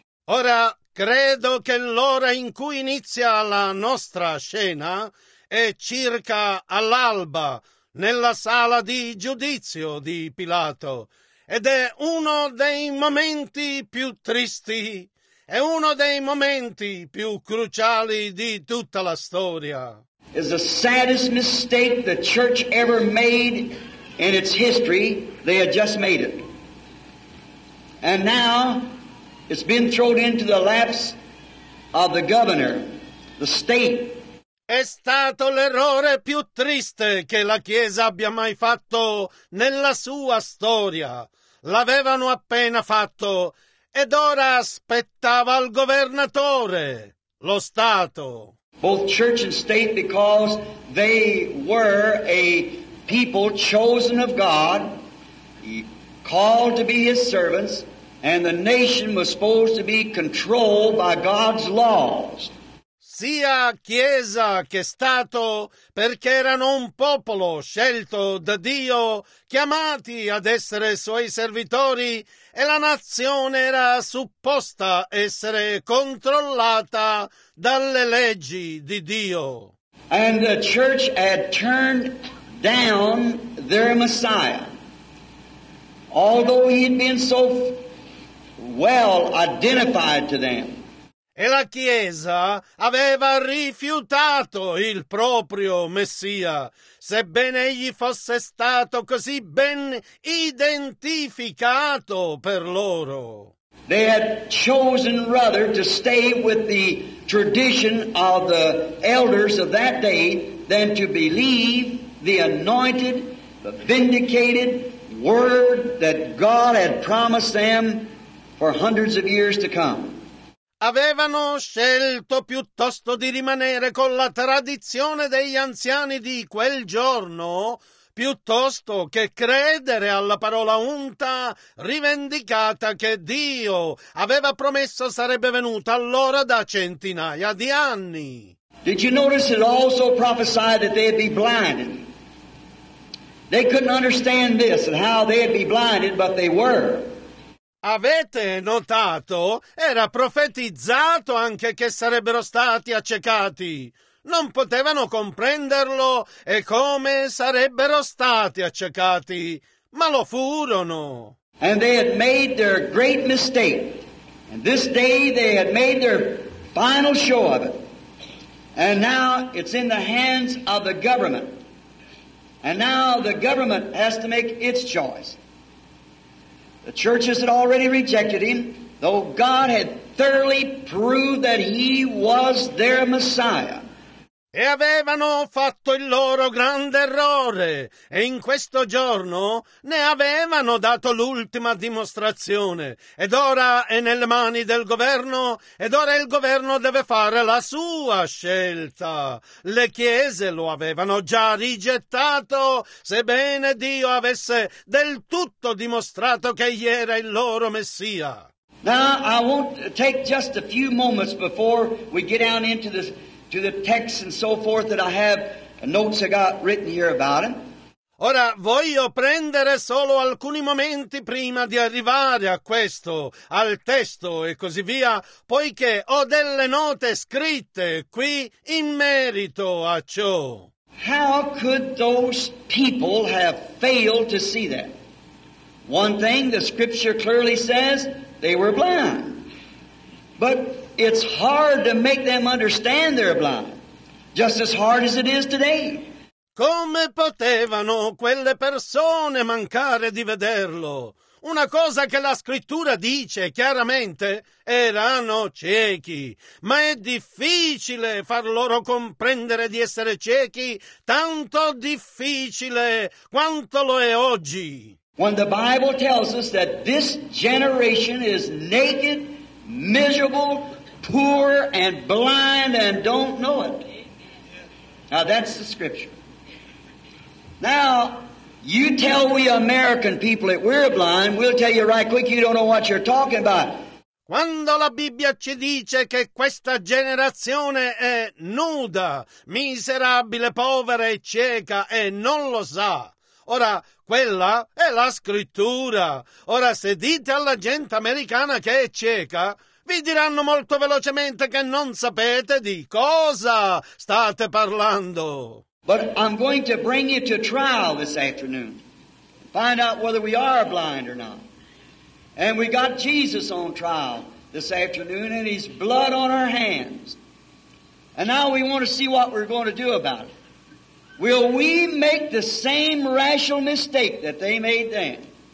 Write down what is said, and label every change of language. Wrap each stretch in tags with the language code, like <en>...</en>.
<it>Ora credo che l'ora in cui inizia la nostra scena è circa all'alba nella sala di giudizio di Pilato ed è uno dei momenti più tristi. È uno dei momenti più cruciali di tutta la storia.</it> <en>Is the saddest mistake the church ever made in its history. They had just made it. And now it's been thrown into the laps of the governor, the state.</en> <it>È stato l'errore più triste che la Chiesa abbia mai fatto nella sua storia. L'avevano appena fatto. Ed ora aspettava il governatore, lo Stato.</it> <en>Both church and state, because they were a people chosen of God, called to be His servants, and the nation was supposed to be controlled by God's laws.</en> <it>Sia Chiesa che Stato, perché erano un popolo scelto da Dio, chiamati ad essere Suoi servitori, e la nazione era supposta essere controllata dalle leggi di Dio.</it> <en>And the church had turned down their Messiah, although he had been so well identified to them.</en> <it>E la Chiesa aveva rifiutato il proprio Messia, sebbene egli fosse stato così ben identificato per loro.</it> <en>They had chosen rather to stay with the tradition of the elders of that day than to believe the anointed, the vindicated word that God had promised them for hundreds of years to come.</en> <it>Avevano scelto piuttosto di rimanere con la tradizione degli anziani di quel giorno, piuttosto che credere alla parola unta rivendicata che Dio aveva promesso sarebbe venuta allora da centinaia di anni.</it> <en>Did you notice it also prophesied that they'd be blinded? They couldn't understand this and how they'd be blinded, but they were.</en> <it>Avete notato? Era profetizzato anche che sarebbero stati accecati. Non potevano comprenderlo e come sarebbero stati accecati, ma lo furono.</it> <en>And they had made their great mistake. And this day they had made their final show of it. And now it's in the hands of the government. And now the government has to make its choice. The churches had already rejected him, though God had thoroughly proved that he was their Messiah.</en> <it>E avevano fatto il loro grande errore, e in questo giorno ne avevano dato l'ultima dimostrazione. Ed ora è nelle mani del governo, ed ora il governo deve fare la sua scelta. Le chiese lo avevano già rigettato, sebbene Dio avesse del tutto dimostrato che egli era il loro Messia.</it> <en>Now, I won't take just a few moments before we get down into this. To the text and so forth that I have notes I got written here about it.</en> <it>Ora voglio prendere solo alcuni momenti prima di arrivare a questo, al testo e così via, poiché ho delle note scritte qui in merito a ciò.</it> <en>How could those people have failed to see that? One thing the scripture clearly says, they were blind. But it's hard to make them understand they're blind, just as hard as it is today.</en> <it>Come potevano quelle persone mancare di vederlo? Una cosa che la scrittura dice chiaramente, erano ciechi. Ma è difficile far loro comprendere di essere ciechi, tanto difficile quanto lo è oggi.</it> <en>When the Bible tells us that this generation is naked, miserable, poor, and blind, and don't know it. Now that's the scripture. Now, you tell we American people that we're blind, we'll tell you right quick you don't know what you're talking about.</en> <it>Quando la Bibbia ci dice che questa generazione è nuda, miserabile, povera e cieca e non lo sa. Ora, quella è la scrittura. Ora, se dite alla gente americana che è cieca, vi diranno molto velocemente che non sapete di cosa state parlando.</it> <en>But I'm going to bring you to trial this afternoon. Find out whether we are blind or not. And we got Jesus on trial this afternoon and his blood on our hands. And now we want to see what we're going to do about it. Will we make the same rational mistake that they made then?</en>